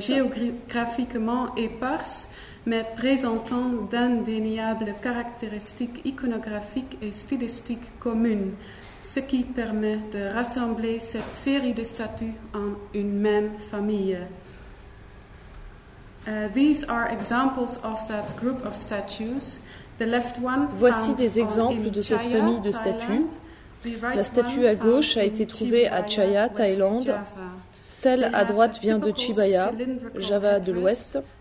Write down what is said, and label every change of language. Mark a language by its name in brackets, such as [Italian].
[French] géographiquement éparses, mais présentant d'indéniables caractéristiques iconographiques et stylistiques communes, ce qui permet de rassembler cette série de statues en une même famille. [English] These are examples of that group of statues. The left one found [French] voici des exemples de cette famille de statues. La statue à gauche a été trouvée à Chaya, Thaïlande. Celle à droite vient de Chibaya, Java de l'Ouest.